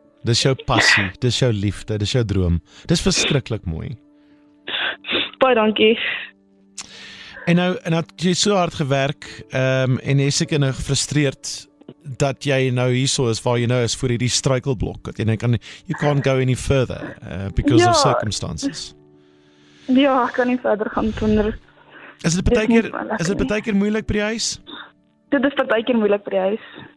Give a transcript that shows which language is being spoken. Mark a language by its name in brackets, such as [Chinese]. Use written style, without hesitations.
[Afrikaans] Dis jou passie, dis jou liefde, dis jou droom. Dis verskriklik mooi. Baie dankie. En nou, jy het so hard gewerk, en jy is seker nou gefrustreerd, dat jy nou hierso is, waar jy nou is, voor hierdie struikelblok. [English] You can't go any further, because of circumstances. [Afrikaans] Ja, ek kan nie verder gaan sonder... Is dit baie keer moeilik by die huis? Dit is baie keer moeilik by die huis.